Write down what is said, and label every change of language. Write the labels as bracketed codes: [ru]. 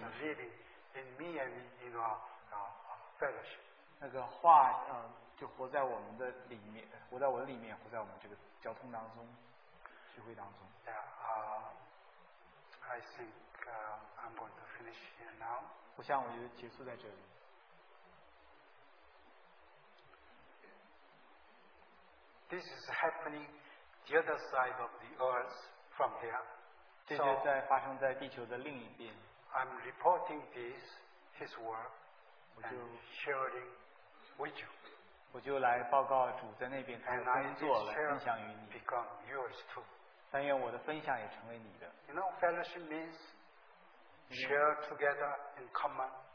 [en] The word is living in me and in our fellowship. [zh] 那个话，就活在我们的里面，活在我里面，活在我们这个交通当中，聚会当中。 [en] Yeah, I think. I'm going to finish here now. [zh] 我想我就结束在这里。 [en] This is happening the other side of the earth from here. [zh] 这就在发生在地球的另一边。 [en] I'm reporting this, his work, and sharing with you. [zh] 我就来报告主在那边他的工作，来分享于你。 [en] Become yours too. [zh] 但愿我的分享也成为你的。 [en] You know, fellowship means share together in common.